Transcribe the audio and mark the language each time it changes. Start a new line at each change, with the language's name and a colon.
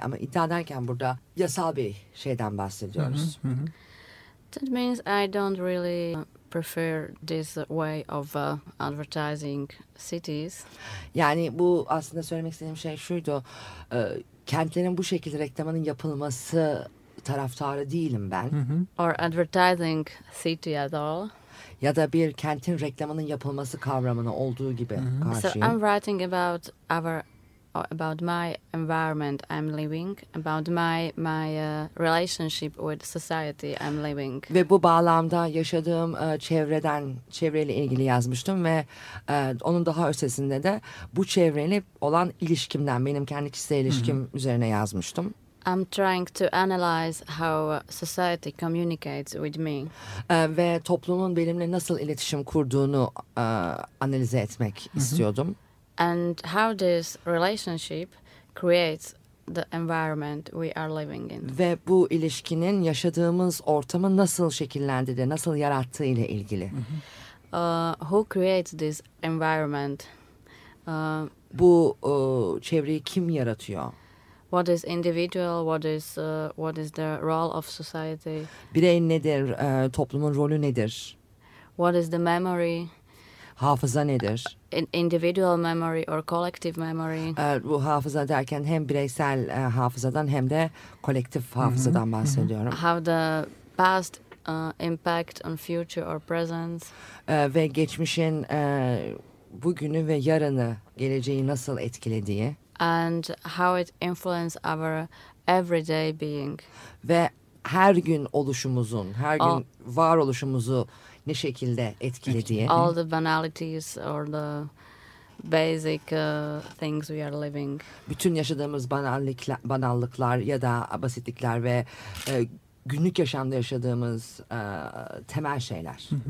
Turkish: Ama iddia derken burada yasal bir şeyden bahsediyoruz.
English: That means I don't really prefer this way of advertising cities.
Turkish: Yani bu aslında söylemek istediğim şey şuydu. Kentlerin bu şekilde reklamının yapılması taraftarı değilim ben.
English: Or advertising city at all.
Turkish: Ya da bir kentin reklamının yapılması kavramını olduğu gibi karşıyım.
English: So I'm writing about about my environment I'm living, about my relationship with society I'm living.
Turkish: Ve bu bağlamda yaşadığım çevreyle ilgili yazmıştım ve onun daha ötesinde de bu çevreyle olan ilişkimden, benim kendi kişisel ilişkim üzerine yazmıştım.
English: I'm trying to analyze how society communicates with me.
Turkish: Ve toplumun benimle nasıl iletişim kurduğunu analize etmek istiyordum.
English: And how this relationship creates the environment we are living in.
Turkish: Ve bu ilişkinin yaşadığımız ortamı nasıl şekillendirdi, nasıl yarattığı ile ilgili.
English: Who creates this environment?
Turkish: Bu çevreyi kim yaratıyor?
English: What is individual? What is the role of society?
Turkish: Birey nedir? Toplumun rolü nedir?
English: What is the memory?
Turkish: Hafıza nedir?
English: Individual memory or collective memory?
Turkish: Bu hafıza derken hem bireysel hafızadan hem de kolektif hafızadan bahsediyorum.
English: How the past impact on future or present?
Turkish: Ve geçmişin bugünü ve yarını, geleceği nasıl etkilediği?
English: And how it influences our everyday being.
Turkish: Ve her gün oluşumuzun, her gün varoluşumuzu ne şekilde etkilediği.
English: All the banalities or the basic things we are living.
Turkish: Bütün yaşadığımız banallıklar ya da basitlikler ve günlük yaşamda yaşadığımız temel şeyler.